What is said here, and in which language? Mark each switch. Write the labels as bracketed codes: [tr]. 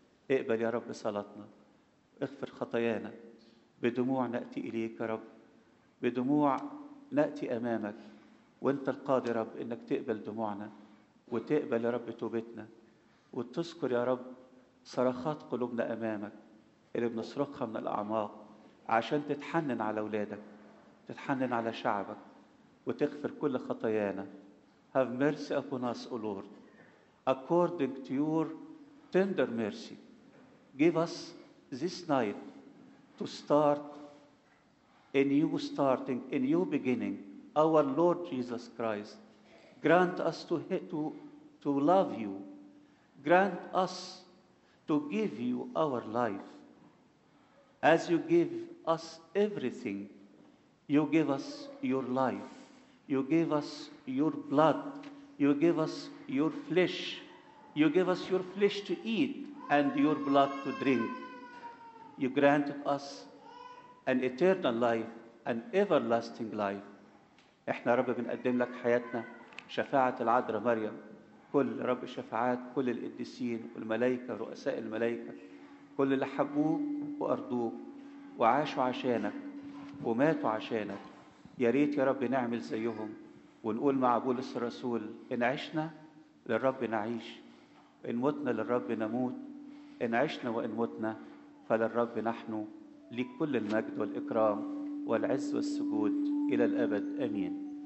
[ar] اقبل يا رب صلاتنا، اغفر خطايانا، بدموع نأتي إليك يا رب، بدموع نأتي أمامك، وانت القاضي يا رب انك تقبل دموعنا وتقبل يا رب توبتنا، وتذكر يا رب صرخات قلوبنا أمامك اللي بنصرخها من الأعماق عشان تتحنن على أولادك، تتحنن على شعبك، وتغفر كل خطايانا. [en] Have mercy upon us, O Lord, according to your tender mercy. Give us this night to start a new starting, a new beginning. Our Lord Jesus Christ, grant us to love you. Grant us to give you our life. As you give us everything, you give us your life. You give us your blood. You give us your flesh. You give us your flesh to eat and your blood to drink. You granted us an eternal life, an everlasting life. [ar] احنا رب بنقدم لك حياتنا، شفاعة العذراء مريم، كل رب شفاعات كل القديسين والملائكة رؤساء الملائكة، كل اللي حبوك وأرضوك وعاشوا عشانك وماتوا عشانك. يا ريت يا رب نعمل زيهم ونقول مع بولس الرسول: إن عشنا للرب نعيش، إن متنا للرب نموت، إن عشنا وإن متنا فللرب نحن. لكل المجد والإكرام والعز والسجود إلى الأبد. آمين.